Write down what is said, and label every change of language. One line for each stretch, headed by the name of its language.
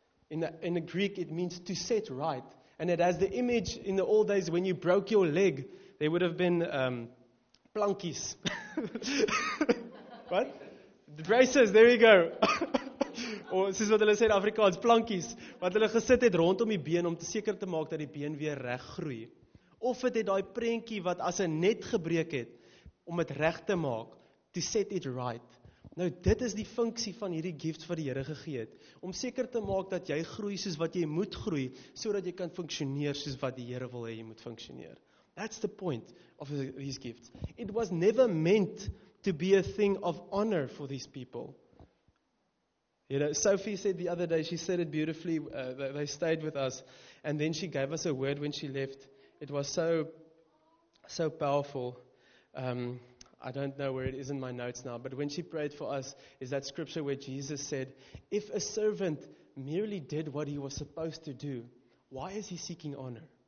English: In the Greek, it means to set right. And it has the image in the old days when you broke your leg, there would have been plankies. What? The braces, there you go. Or this is what they said in Afrikaans, plankies.
Afrikaans: Wat hulle gesit het rondom die been om te seker te maak dat die been weer reg groei. Of het het die prentjie wat as 'n net gebreek het, om het reg te maak,
English: to set it right.
Afrikaans: Nou, dit is die funksie van hierdie gift wat die Here gegee het. Om seker te maak dat jy groei soos wat jy moet groei, sodat jy kan funksioneer soos wat die Here wil hê jy moet funksioneer.
English: That's the point of these gifts. It was never meant to be a thing of honor for these people. You know, Sophie said the other day, she said it beautifully, they stayed with us, and then she gave us a word when she left. It was so powerful. I don't know where it is in my notes now, but when she prayed for us, is that scripture where Jesus said, if a servant merely did what he was supposed to do, why is he seeking honor?